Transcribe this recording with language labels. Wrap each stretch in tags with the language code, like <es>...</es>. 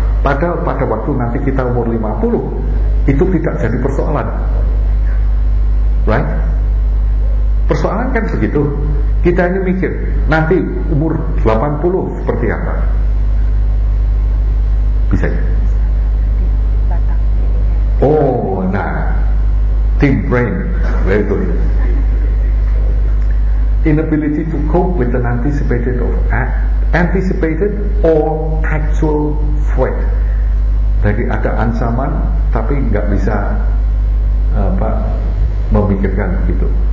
<id>Padahal pada waktu nanti kita umur 50, itu tidak jadi persoalan.</id> <en>Right?</en> <id>Persoalan kan begitu. Kita ini mikir, nanti umur 80 seperti apa. Bisa ya?</id> <en>Oh, nah, deep brain, very good. Inability to cope with an anticipated or anticipated or actual threat.</en> <id>Jadi ada ancaman, tapi nggak bisa apa memikirkan gitu.</id>